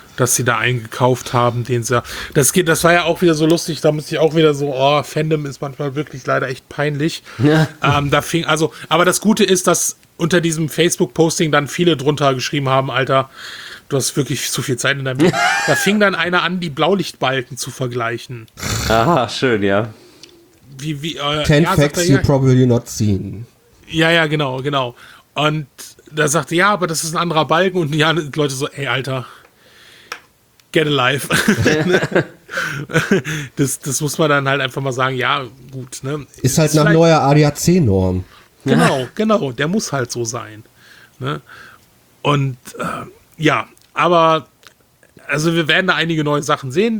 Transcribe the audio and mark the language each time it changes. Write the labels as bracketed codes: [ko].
[de] das sie da eingekauft haben, das war ja auch wieder so lustig, da muss ich auch wieder so, oh, Fandom ist manchmal wirklich leider echt peinlich. Ja. Aber das Gute ist, dass unter diesem Facebook-Posting dann viele drunter geschrieben haben, Alter, du hast wirklich zu viel Zeit in deinem Leben. Da fing dann einer an, die Blaulichtbalken zu vergleichen. Aha, schön, ja. [en] Ten facts you probably not seen. [de] Ja, ja, genau. Und da sagte, ja, aber das ist ein anderer Balken. Und ja, die Leute so, ey, Alter, [en] get alive. [de] das muss man dann halt einfach mal sagen, ja, gut. Ne? Ist halt nach neuer ADAC-Norm. Genau, der muss halt so sein. Ne? Und ja, aber also wir werden da einige neue Sachen sehen.